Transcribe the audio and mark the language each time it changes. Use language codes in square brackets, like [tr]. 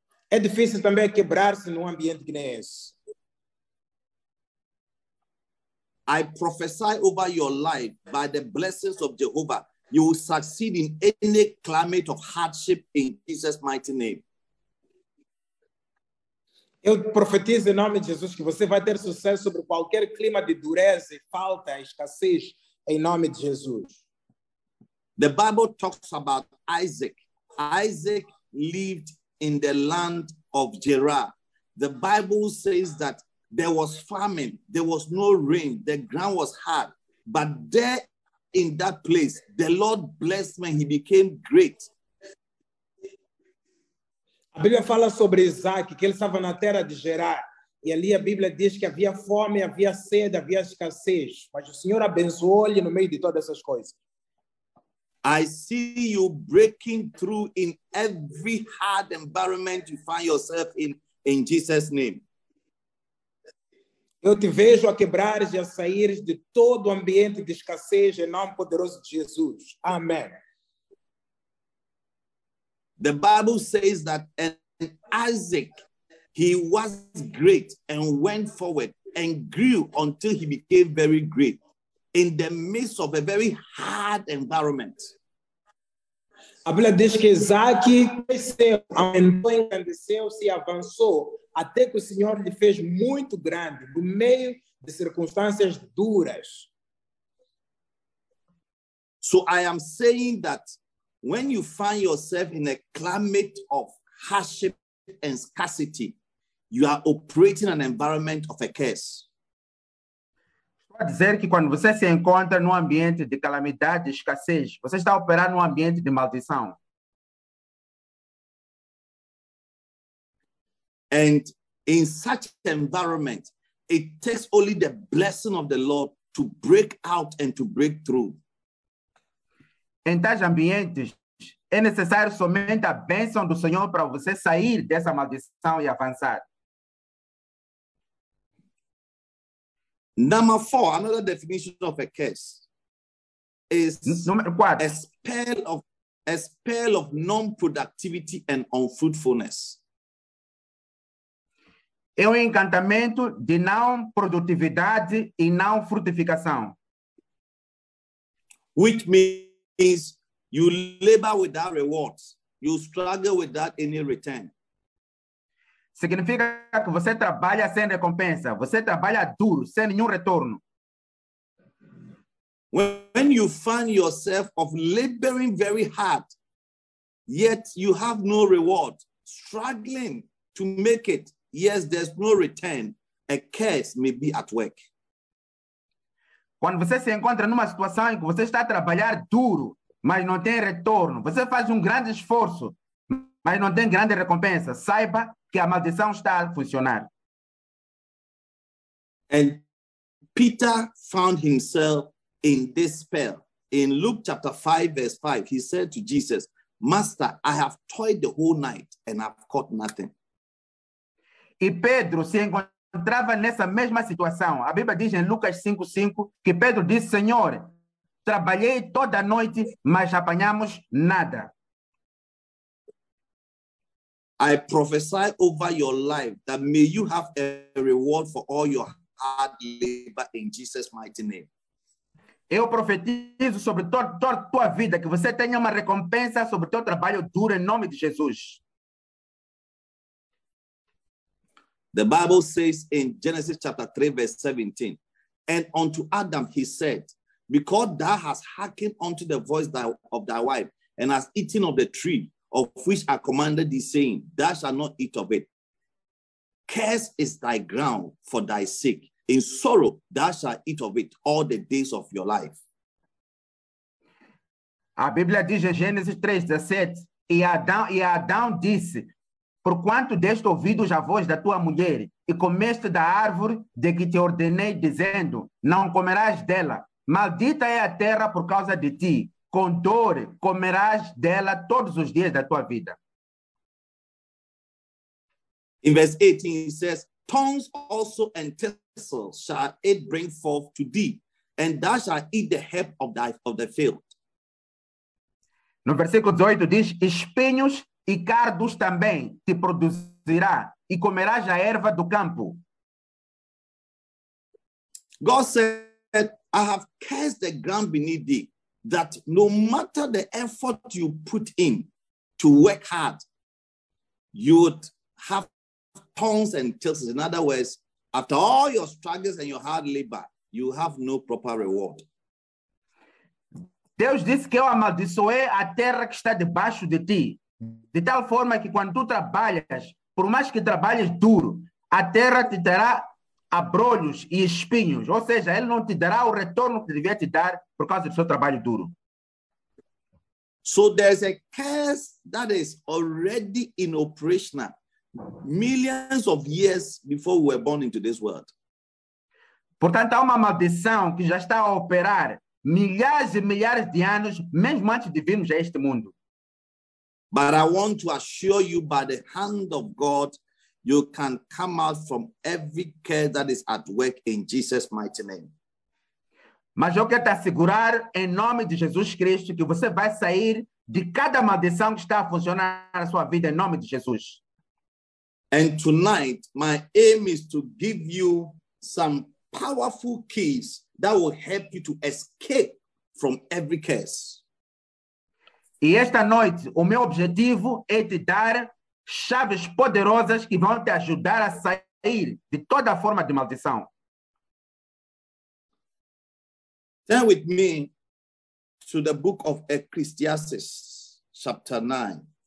[pt] É difícil também quebrar-se num ambiente que nem esse. [en] I prophesy over your life by the blessings of Jehovah. You will succeed in any climate of hardship in Jesus' mighty name. [pt] Eu profetizo em nome de Jesus que você vai ter sucesso sobre qualquer clima de dureza, falta, escassez, em nome de Jesus. [en] The Bible talks about Isaac. Isaac lived in the land of Gerar. The Bible says that there was famine, there was no rain, the ground was hard. But there in that place, the Lord blessed when he became great. [pt] A Bíblia fala sobre Isaac, que ele estava na terra de Gerar. E ali a Bíblia diz que havia fome, havia sede, havia escassez. Mas o Senhor abençoou-lhe no meio de todas essas coisas. [en] I see you breaking through in every hard environment you find yourself in Jesus' name. [pt] Eu te vejo a quebrares e a saíres de todo o ambiente de escassez em nome poderoso de Jesus. Amém. [en] The Bible says that a Isaac, he was great and went forward and grew until he became very great in the midst of a very hard environment. [pt] A Bíblia diz que Isaac cresceu, aumentou, engrandeceu, se avançou, até que o Senhor lhe fez muito grande, no meio de circunstâncias duras. [en] So I am saying that when you find yourself in a climate of hardship and scarcity, you are operating an environment of a curse. [pt] Dizer que quando você se encontra num ambiente de calamidade, de escassez, você está operando num ambiente de maldição. [en] And in such environment, it takes only the blessing of the Lord to break out and to break through. [pt] Em tais ambientes, é necessário somente a bênção do Senhor para você sair dessa maldição e avançar. [en] Number four, another definition of a curse is a spell of non-productivity and unfruitfulness. [pt] É um encantamento de não produtividade e não frutificação. [en] Which means you labor without rewards. You struggle without any return. [pt] Significa que você trabalha sem recompensa. Você trabalha duro, sem nenhum retorno. [en] When you find yourself of laboring very hard, yet you have no reward, struggling to make it, yes, there's no return, a curse may be at work. [pt] Quando você se encontra numa situação em que você está a trabalhar duro, mas não tem retorno, você faz grande esforço, mas não tem grande recompensa, saiba que a maldição está a funcionar. [en] And Peter found himself in this spell. In Luke chapter 5, verse 5, he said to Jesus, Master, I have toiled the whole night and I've caught nothing. [pt] E Pedro se encontrava nessa mesma situação. A Bíblia diz em Lucas 5:5 que Pedro disse, Senhor, trabalhei toda a noite, mas apanhamos nada. [en] I prophesy over your life that may you have a reward for all your hard labor in Jesus' mighty name. [pt] Eu profetizo sobre toda a tua vida que você tenha uma recompensa sobre teu trabalho duro em nome de Jesus. [en] The Bible says in Genesis chapter 3, verse 17, and unto Adam he said, because thou hast hearkened unto the voice of thy wife and hast eaten of the tree, of which I commanded thee, saying, thou shalt not eat of it. Cursed is thy ground for thy sake. In sorrow thou shalt eat of it all the days of your life. [pt] A Bíblia diz em Gênesis 3, 17, e Adão disse, porquanto deste ouvidos a voz da tua mulher, e comeste da árvore de que te ordenei, dizendo, não comerás dela. Maldita é a terra por causa de ti. Com dor, comerás dela todos os dias da tua vida. [en] In verse 18, he says, thorns also and thistles shall it bring forth to thee, and thou shalt eat the herb of the field. [pt] No versículo 18, diz, espinhos e cardos também te produzirá, e comerás a erva do campo. [en] God said, I have cursed the ground beneath thee, that no matter the effort you put in to work hard, you would have thorns and thistles. In other words, after all your struggles and your hard labor, you have no proper reward. [pt] Deus disse que eu amaldiçoei a terra que está debaixo de ti, de tal forma que quando tu trabalhas, por mais que trabalhes duro, a terra te terá abrolhos e espinhos, ou seja, ele não te dará o retorno que devia te dar por causa do seu trabalho duro. [en] So there's a curse that is already in operation millions of years before we were born into this world. [pt] Portanto, há uma maldição que já está a operar milhares e milhares de anos, mesmo antes de virmos a este mundo. [en] But I want to assure you by the hand of God, you can come out from every care that is at work in Jesus' mighty name. [pt] Mas eu quero te assegurar, em nome de Jesus Cristo, que você vai sair de cada maldição que está a funcionar na sua vida, em nome de Jesus. [en] And tonight, my aim is to give you some powerful keys that will help you to escape from every curse. [pt] E esta noite, o meu objetivo é te dar chaves poderosas que vão te ajudar a sair de toda forma de maldição. [en] Turn with me to the book of Ecclesiastes, chapter 9.